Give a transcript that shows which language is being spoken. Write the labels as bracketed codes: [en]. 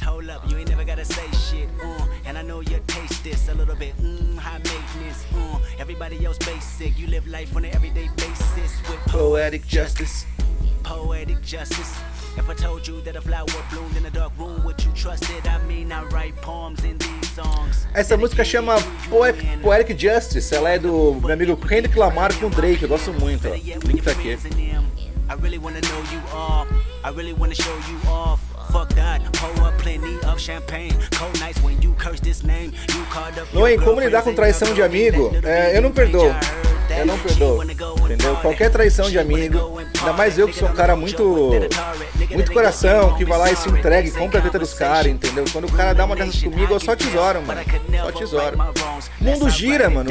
[en] Hold up, you ain't never gotta say shit. And I know you taste this a little bit. High maintenance. Everybody else basic. You live life on an everyday basis with poetic justice. Poetic justice. If I told you that a flower bloomed in a dark room, would you trust it? I mean, I write poems in these songs. [pt] Essa música chama Poetic Justice. Ela é do meu amigo Kendrick Lamar com Drake. Eu gosto muito. Tá aqui. [en] I really wanna know you all. I really wanna show you off. Fuck that. Pour up plenty of champagne. Cold nights when you curse this name. You called up. [pt] Noem, como lidar com traição de amigo? É, eu não perdoo. Eu não perdoo, entendeu? Qualquer traição de amigo, ainda mais eu que sou um cara muito, muito coração, que vai lá e se entregue, compra a vida dos caras, entendeu? Quando o cara dá uma dessas comigo, eu só tesouro, mano. Só tesouro. Mundo gira, mano.